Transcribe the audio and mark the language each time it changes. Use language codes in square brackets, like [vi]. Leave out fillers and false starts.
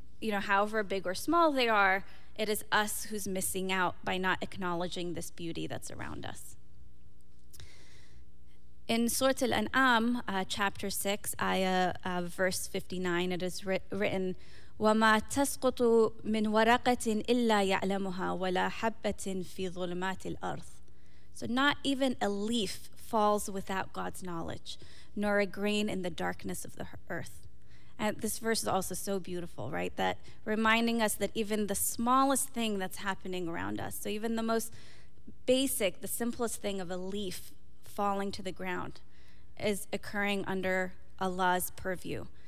[en] However big or small they are, it is us who's missing out by not acknowledging this beauty that's around us. In Surah Al-An'am, chapter 6, verse 59, it is written, [ar] وَمَا تَسْقُطُ مِنْ وَرَقَةٍ إِلَّا يَعْلَمُهَا وَلَا حَبَّةٍ فِي ظُلُمَاتِ الْأَرْضِ. [en] So not even a leaf falls without God's knowledge, nor a grain in the darkness of the earth. And this verse is also so beautiful, right? That reminding us that even the smallest thing that's happening around us, so even the most basic, the simplest thing of a leaf falling to the ground, is occurring under Allah's purview.